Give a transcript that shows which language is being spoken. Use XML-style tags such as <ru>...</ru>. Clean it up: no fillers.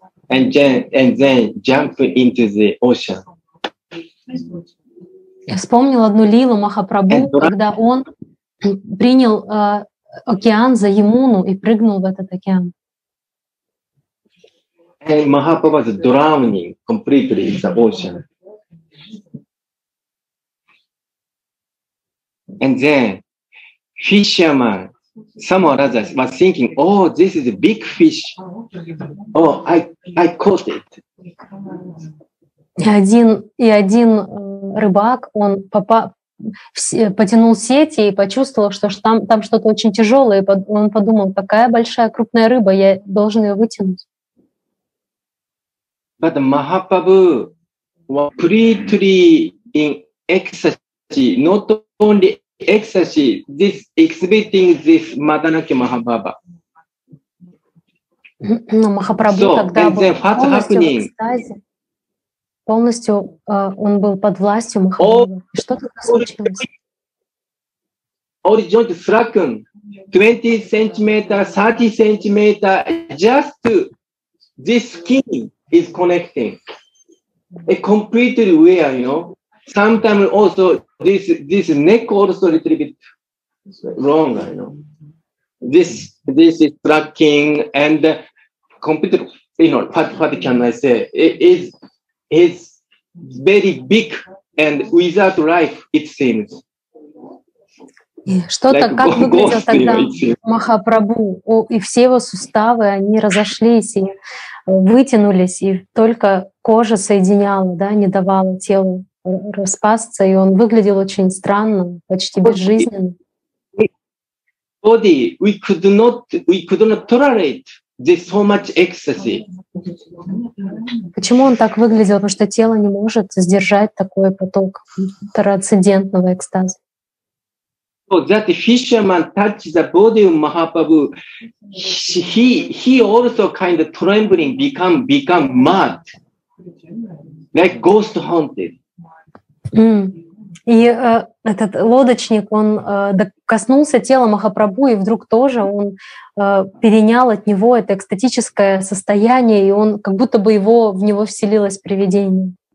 <en>And then jump into the ocean.</en> <ru>Я вспомнил одну лилу Махапрабху, когда он принял океан за Ямуну и прыгнул в этот океан.</ru> <en>And Mahaprabhu was drowning completely in the ocean. And then fisherman, someone or other, was thinking, oh, this is a big fish. Oh, I caught it.</en> <ru>И один рыбак, он потянул сети и почувствовал, что там что-то очень тяжелое. Он подумал, такая большая крупная рыба, я должен ее вытянуть.</ru> <en>But Mahaprabhu was completely in ecstasy, not only ecstasy, this exhibiting this Madanaki Mahababa. No, Mahaprabhu so,</en> <ru>тогда</ru> <en>and then what's happening?</en> <ru>Полностью он был под властью Mahaprabhu. Что тогда случилось?</ru> <en>All joint slackened, 20 centimeters, 30 centimeters, just to this skin. Is connecting. A completely wear, you know. Sometimes also this neck also a little bit wrong, you know. This is tracking and completely, you know, what can I say? It is very big and without life, it seems.</en> <ru>Что-то,</ru> <en>like</en> <ru>как выглядел тогда Махапрабху, и все его суставы, они разошлись, и вытянулись, и только кожа соединяла, да, не давала телу распасться, и он выглядел очень странно, почти безжизненно.</ru> <en>Body, we could not tolerate this so much ecstasy.</en> <ru>Почему он так выглядел? Потому что тело не может сдержать такой поток трансцендентного экстаза.</ru> <en>So that the fisherman touched the body of Mahaprabhu, he also kind of trembling, become mad, like ghost haunted. Mm.</en> <ru>И этот лодочник, он коснулся тела Махапрабху, и вдруг тоже он перенял от него это экстатическое состояние, и он как будто бы его, в него вселилось привидение.</ru>